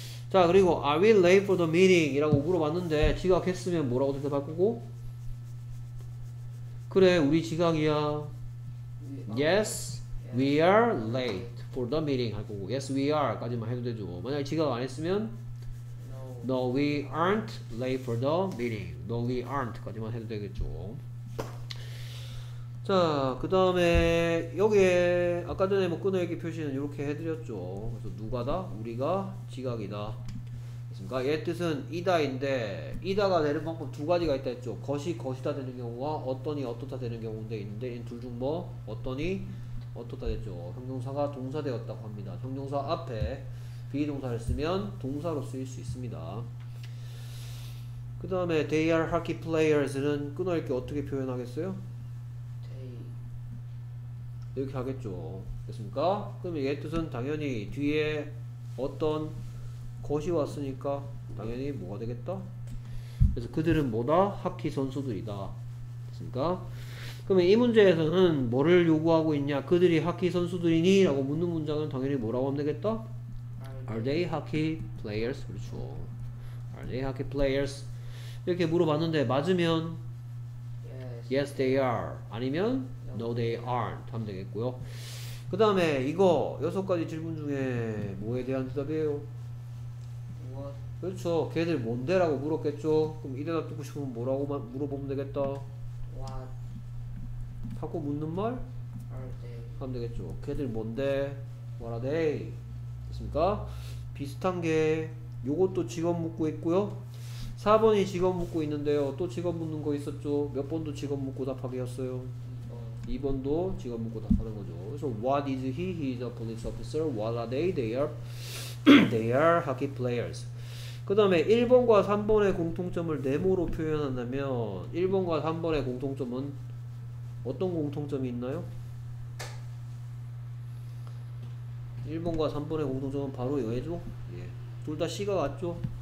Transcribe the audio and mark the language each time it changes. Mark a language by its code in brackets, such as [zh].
[ko] 자 그리고 [en] are we late for the meeting? [ko] 이라고 물어봤는데 지각했으면 뭐라고 대답할 거고? 그래 우리 지각이야. [en] Yes, we are late for the meeting [ko] 할 거고. [en] Yes, we are [ko] 까지만 해도 되죠. 만약에 지각 안 했으면 [en] No, we aren't late for the meeting. [ko] No, we aren't 까지만 해도 되겠죠. 자, 그 다음에 여기에 아까 전에 뭐 끊어있기 표시는 이렇게 해드렸죠. 그래서 누가다? 우리가 지각이다. 그러니까 얘 뜻은 이다인데 이다가 되는 방법 두 가지가 있다 했죠. 것이 것이다 되는 경우와 어떤이 어떻다 되는 경우인데 있는데 둘 중 뭐 어떤이 어떻다 됐죠. 형용사가 동사되었다고 합니다. 형용사 앞에 비동사를 쓰면 동사로 쓰일 수 있습니다. 그 다음에 [en] they are hockey players [ko] 는 끊어있기 어떻게 표현하겠어요? 이렇게 하겠죠. 됐습니까? 그럼 얘 뜻은 당연히 뒤에 어떤 것이 왔으니까 당연히 뭐가 되겠다? 그래서 그들은 뭐다? 하키 선수들이다. 됐습니까? 그러면 이 문제에서는 뭐를 요구하고 있냐? 그들이 하키 선수들이니? 라고 묻는 문장은 당연히 뭐라고 하면 되겠다? [en] Are they hockey players? [ko] 그렇죠. [en] Are they hockey players? [ko] 이렇게 물어봤는데 맞으면 [en] Yes, they are. [ko] 아니면 [en] No, they aren't. [ko] 하면 되겠고요. 그 다음에 이거 여섯 가지 질문 중에 뭐에 대한 대답이에요? [en] What? [ko] 그렇죠. 걔들 뭔데? 라고 물었겠죠. 그럼 이 대답 듣고 싶으면 뭐라고 물어보면 되겠다. [en] What? [ko] 자꾸 묻는 말? [en] Are they? [ko] 하면 되겠죠. 걔들 뭔데? [en] What are they? [ko] 됐습니까? 비슷한 게 요것도 직업 묻고 있고요. 4번이 직업 묻고 있는데요. 또 직업 묻는 거 있었죠. 몇 번도 직업 묻고 답하게 했어요. 2번도 직업 묻고 답하는 거죠. 그래서 [en] what is he? He is a police officer. What are they? They are hockey players. [ko] 그 다음에 1번과 3번의 공통점을 네모로 표현한다면 1번과 3번의 공통점은 어떤 공통점이 있나요? 1번과 3번의 공통점은 바로 이거죠. 예. 둘 다 C가 같죠.